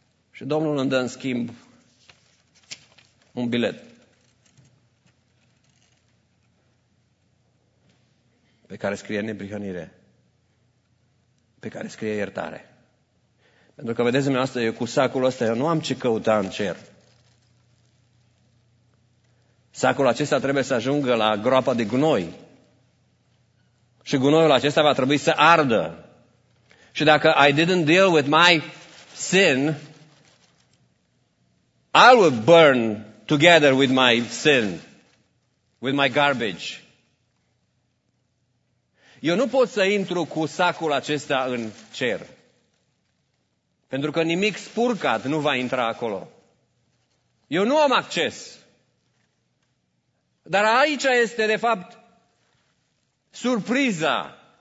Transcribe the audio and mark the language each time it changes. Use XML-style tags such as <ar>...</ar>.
<ro>Și Domnul îmi dă în schimb un bilet pe care scrie neprihănire, pe care scrie iertare. Pentru că, vedeți, dumneavoastră, eu cu sacul ăsta eu nu am ce căuta în cer. Sacul acesta trebuie să ajungă la groapa de gunoi. Și gunoiul acesta va trebui să ardă. Și dacă</ro> <en>I didn't deal with my sin, I will burn together with my sin, with my garbage.</en> <ro>Eu nu pot să intru cu sacul acesta în cer. Pentru că nimic spurcat nu va intra acolo. Eu nu am acces. Dar aici este, de fapt, surpriza.</ro>